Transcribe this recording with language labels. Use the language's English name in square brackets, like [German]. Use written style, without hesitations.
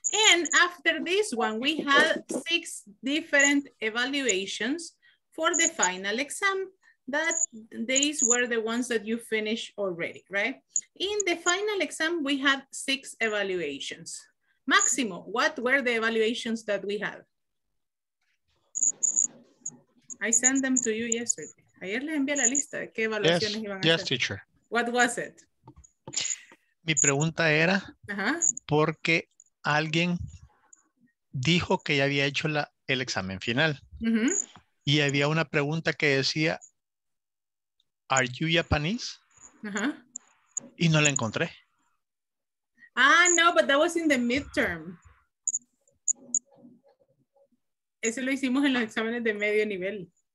[English] And after this one, we had 6 different evaluations for the final exam. That these were the ones that you finished already, right? In the final exam, we had 6 evaluations. Maximo, what were the evaluations that we had? I sent them to you yesterday. [Spanish] Ayer les envié la lista de qué evaluaciones iban a hacer. [English] Yes, teacher. What was it? [Spanish] Mi pregunta era porque alguien dijo que ya había hecho el examen final y había una pregunta que decía [English] Are you Japanese? [Spanish] Y no la encontré. [English] Ah, no, but that was in the midterm. [Spanish] Eso lo hicimos en los exámenes de medio nivel.